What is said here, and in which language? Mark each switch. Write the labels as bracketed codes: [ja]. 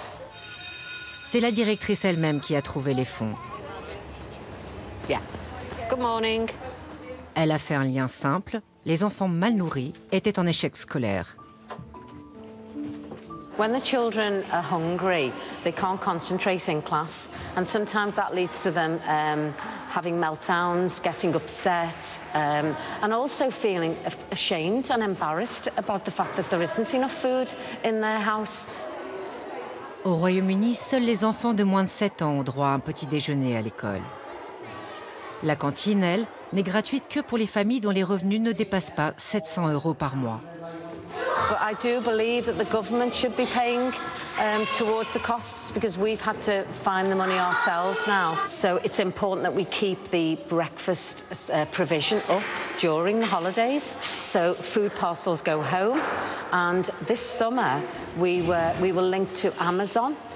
[fr] C'est la directrice elle-même qui a trouvé les fonds. [en] Good morning. [fr] Elle a fait un lien simple. Les enfants mal nourris étaient en échec scolaire. [en] When the children are hungry, they can't concentrate in class, and sometimes that leads to them having meltdowns, getting upset, and also feeling ashamed and embarrassed about the fact that there isn't enough food in their house. [fr] Au Royaume-Uni, seuls les enfants de moins de 7 ans ont droit à un petit déjeuner à l'école. La cantine, elle, n'est gratuite que pour les familles dont les revenus ne dépassent pas 700 euros par mois. [en] But I do believe that the government should be paying towards the costs because we've had to find the money ourselves now. So it's important that we keep the breakfast provision up during the holidays. So food parcels go home. And this summer we were linked to Amazon.